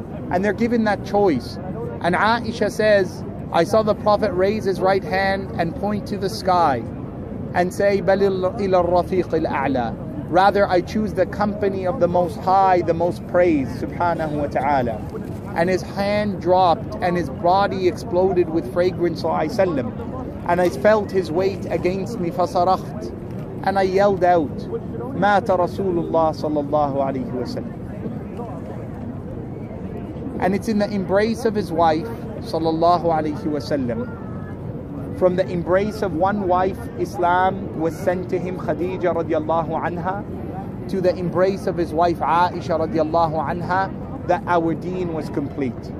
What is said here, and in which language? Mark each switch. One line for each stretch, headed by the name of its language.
English: And they're given that choice. And Aisha says, I saw the Prophet raise his right hand and point to the sky and say,
Arabic: بَلِ إِلَى الرَّفِيقِ الْأَعْلَى.
English: Rather, I choose the company of the Most High, the Most Praised, subhanahu wa ta'ala. And his hand dropped and his body exploded with fragrance, sallallahu alayhi wa sallam. And I felt his weight against me,
Arabic: فَصَرَخْتْ.
English: And I yelled out,
Arabic: مَاتَ رَسُولُ اللَّهِ صَلَى اللَّهُ عَلَيْهِ وَسَلَّمُ.
English: And it's in the embrace of his wife, صَلَى اللَّهُ عَلَيْهِ وَسَلَّمُ. From the embrace of one wife, Islam was sent to him, Khadija radiallahu anha, to the embrace of his wife, Aisha radiallahu anha, that our deen was complete.